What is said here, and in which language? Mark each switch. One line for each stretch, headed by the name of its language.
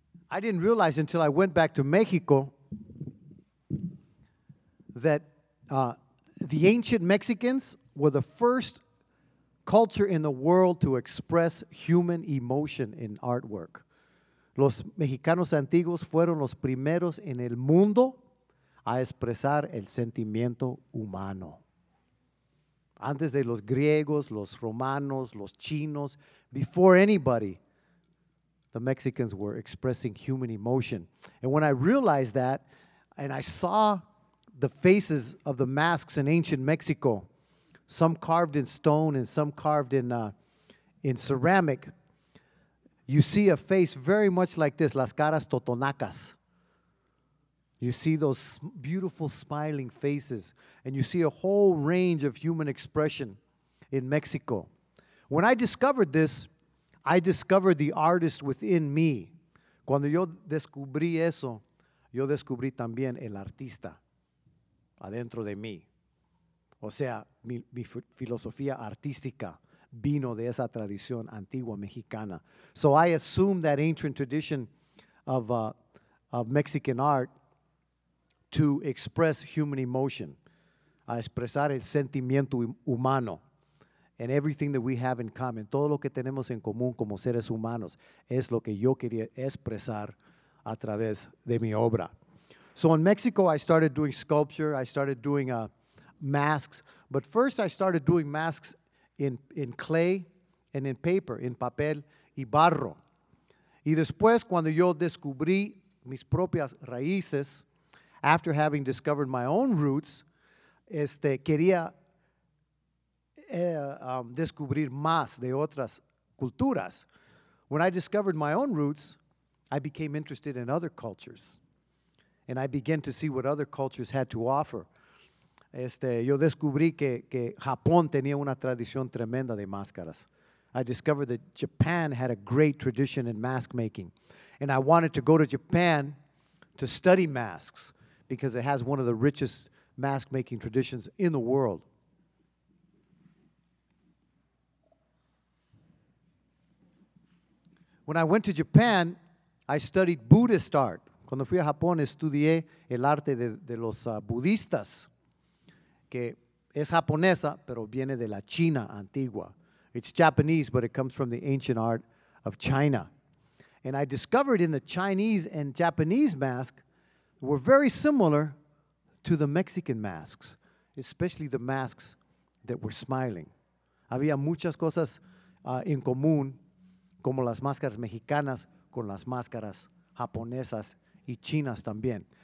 English: I didn't realize until I went back to Mexico that the ancient Mexicans were the first culture in the world to express human emotion in artwork.
Spanish: Los mexicanos antiguos fueron los primeros en el mundo a expresar el sentimiento humano. antes de los griegos, los romanos, los chinos,
English: before anybody, the Mexicans were expressing human emotion. And when I realized that, and I saw the faces of the masks in ancient Mexico, some carved in stone and some carved in ceramic, you see a face very much like this,
Spanish: las caras totonacas.
English: You see those beautiful smiling faces, and you see a whole range of human expression in Mexico. When I discovered this, I discovered the artist within me.
Spanish: Cuando yo descubrí eso, yo descubrí también el artista adentro de mí. O sea, mi filosofía artística vino de esa tradición antigua mexicana.
English: So I assumed that ancient tradition of Mexican art to express human emotion,
Spanish: a expresar el sentimiento humano,
English: and everything that we have in common,
Spanish: todo lo que tenemos en común como seres humanos, es lo que yo quería expresar a través de mi obra.
English: So in Mexico, I started doing sculpture, I started doing masks, but first I started doing masks in clay and in paper, in
Spanish: papel y barro. Y después, cuando yo descubrí mis propias raíces,
English: after having discovered my own roots,
Spanish: quería descubrir más de otras culturas.
English: When I discovered my own roots, I became interested in other cultures, and I began to see what other cultures had to offer.
Spanish: Yo descubrí que Japón tenía una tradición tremenda de máscaras.
English: I discovered that Japan had a great tradition in mask making, and I wanted to go to Japan to study masks, because it has one of the richest mask-making traditions in the world. When I went to Japan, I studied Buddhist art.
Spanish: Cuando fui a Japón, estudié el arte de los budistas, que es japonesa, pero viene de la China antigua.
English: It's Japanese, but it comes from the ancient art of China. And I discovered in the Chinese and Japanese mask were very similar to the Mexican masks, especially the masks that were smiling.
Spanish: Había muchas cosas en común, como las máscaras mexicanas con las máscaras japonesas y chinas también.